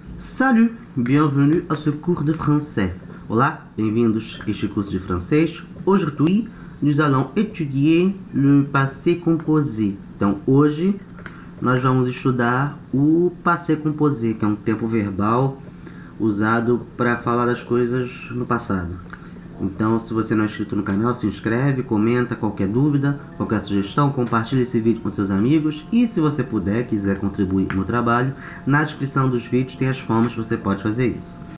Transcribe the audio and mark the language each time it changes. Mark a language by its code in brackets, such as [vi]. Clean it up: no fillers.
[fr] Salut, bienvenue à ce cours de français. [pt] Olá, bem-vindos a este curso de francês. [fr] Aujourd'hui, nous allons étudier le passé composé. [pt] Então, hoje, nós vamos estudar o passé composé, que é um tempo verbal usado para falar das coisas no passado. Então, se você não é inscrito no canal, se inscreve, comenta qualquer dúvida, qualquer sugestão, compartilhe esse vídeo com seus amigos e, se você puder, quiser contribuir no trabalho, na descrição dos vídeos tem as formas que você pode fazer isso.